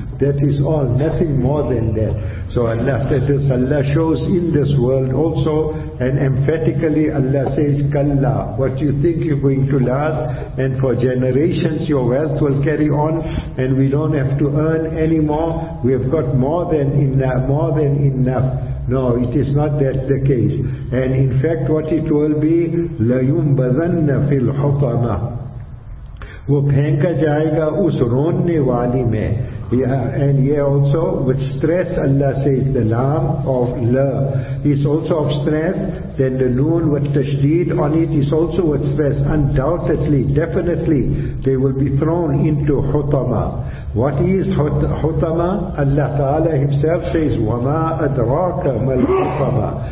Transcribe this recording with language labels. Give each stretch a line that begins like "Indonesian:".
English: That is all, nothing more than that. So Allah shows in this world also, and emphatically Allah says, Kalla, what you think you're going to last, and for generations your wealth will carry on, and we don't have to earn any more. We have got more than enough. No, it is not that the case. And in fact, what it will be,
Arabic: لَيُنْبَذَنَّ فِي الْحُطَمَةِ
Urdu: وہ پھینکا جائے گا اس روننے والی میں.
English: And here also, with stress, Allah says, the lam of la is also of stress, then the noon with tashdeed on it is also with stress. Undoubtedly, definitely, they will be thrown into hutama. What is hutama? Allah Ta'ala Himself says,
Arabic: وَمَا أَدْرَاكَ مَا الْحُطَمَةِ.